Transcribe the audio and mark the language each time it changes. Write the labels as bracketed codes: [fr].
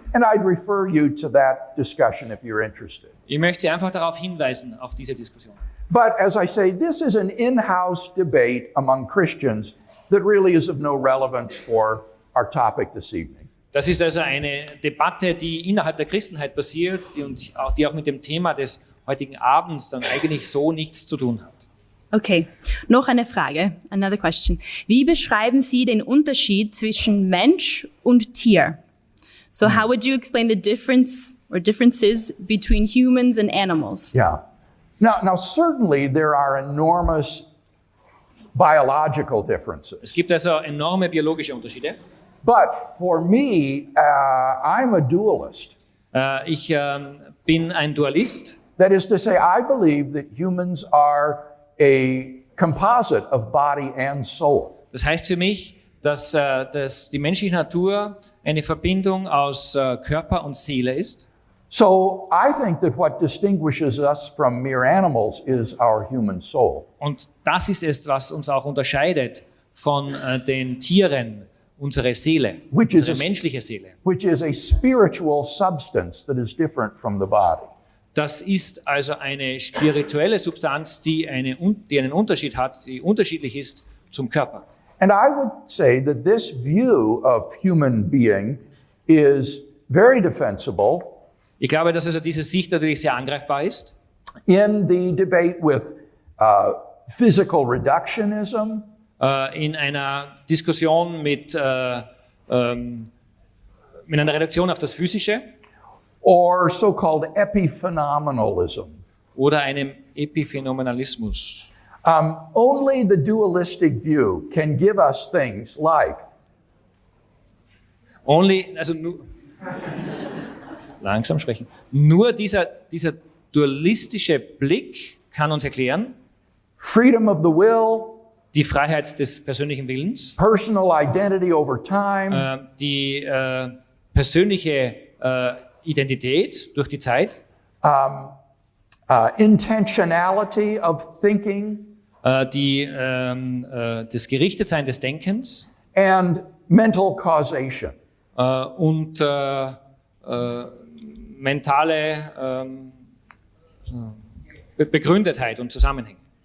[en] And I'd refer you to that discussion if you're interested. [de] Ich möchte Sie einfach darauf hinweisen auf diese Diskussion. [en] But as I say, this is an in-house debate among Christians that really is of no relevance for our topic this evening. [de] Das ist also eine Debatte, die innerhalb der Christenheit passiert, die auch mit dem Thema des heutigen Abends dann eigentlich so nichts zu tun hat. Okay, noch eine Frage, [en] another question. [de] Wie beschreiben Sie den Unterschied zwischen Mensch und Tier? [en] So how would you explain the difference or differences between humans and animals? Yeah. Now certainly there are enormous biological differences. [de] Es gibt also enorme biologische Unterschiede. [en] But for me, I'm a dualist. [de] Ich bin ein Dualist. [en] That is to say, I believe that humans are a composite of body and soul. [de] Das heißt für mich, dass die menschliche Natur eine Verbindung aus Körper und Seele ist. [en] So I think that what distinguishes us from mere animals is our human soul. [de] Und das ist es, was uns auch unterscheidet von den Tieren, unsere Seele, unsere menschliche Seele. [en] Which is a spiritual substance that is different from the body. [de] Das ist also eine spirituelle Substanz, die einen Unterschied hat, die unterschiedlich ist zum Körper. [en] And I would say that this view of human being is very defensible. [de] Ich glaube, dass also diese Sicht natürlich sehr angreifbar ist. [en] In the debate with physical reductionism. [de] In einer Diskussion mit einer Reduktion auf das Physische. [en] Or so-called epiphenomenalism. [de] Oder einem Epiphenomenalismus. [en] Only the dualistic view can give us things like. [de] Only, also nur. Langsam sprechen. Nur dieser dualistische Blick kann uns erklären. [en] Freedom of the will. [de] Die Freiheit des persönlichen Willens. [en] Personal identity over time. [de] Die persönliche Identität durch die Zeit. [en] Intentionality of thinking. [de] Das Gerichtetsein des Denkens [en] and mental causation. [de] Und mentale Begründetheit und Zusammenhänge.